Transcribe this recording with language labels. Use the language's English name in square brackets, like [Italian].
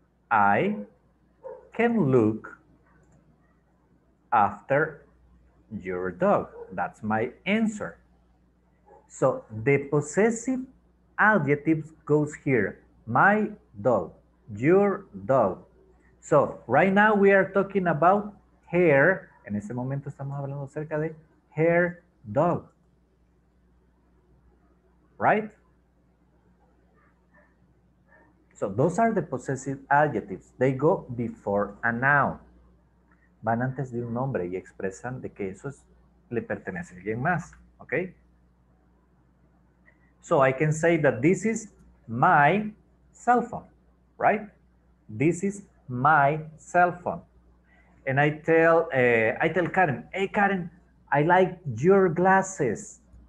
[English] I can look after your dog. That's my answer. So the possessive adjective goes here. My dog, your dog. So right now we are talking about her. [Spanish] En ese momento estamos hablando acerca de her dog. [English] Right? So those are the possessive adjectives. They go before a noun. [Spanish] Van antes de un nombre y expresan de que eso es, le pertenece a alguien más. [English] Okay? So I can say that this is my cell phone, right? This is my cell phone. And I tell Karen, hey Karen, I like your glasses.